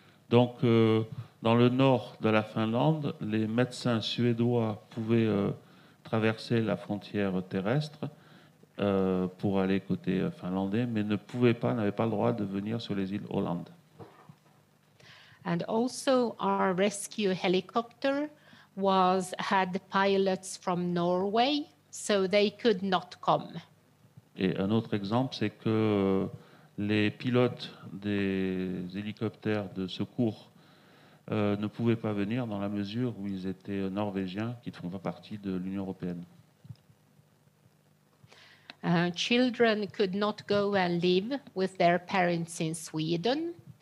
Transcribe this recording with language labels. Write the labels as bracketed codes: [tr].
[fr] Donc, dans le nord de la Finlande, les médecins suédois pouvaient traverser la frontière terrestre pour aller côté finlandais, mais ne pouvaient pas, n'avaient pas le droit de venir sur les îles Åland. [en] And also our rescue helicopter had pilots from Norway, so they could not come. [fr] Et un autre exemple, c'est que les pilotes des hélicoptères de secours ne pouvaient pas venir dans la mesure où ils étaient norvégiens qui ne font pas partie de l'Union européenne. [en] Children could not go and live with their parents in Sweden.